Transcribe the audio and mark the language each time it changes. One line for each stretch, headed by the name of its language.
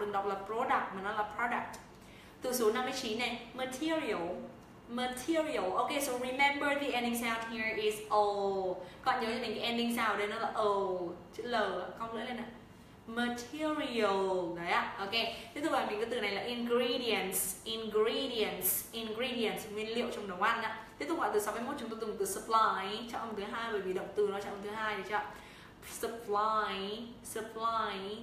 Vietnamese: Đừng đọc là product mà nó là product. Từ số 59 này. Material. Material. Ok.
English: So remember the ending sound here is O.
Vietnamese: Các bạn nhớ cho mình cái ending sound đây nó là O. Chữ L. Không lưỡi lên ạ. Material. Đấy ạ. Ok. Tiếp tục bài mình có từ này là ingredients. Ingredients. Ingredients. Nguyên liệu trong đồ ăn ạ. Tiếp tục bài từ 61 chúng ta dùng từ supply. Chọn âm thứ 2 bởi vì động từ nó chọn âm thứ 2 được chưa? Supply. Supply.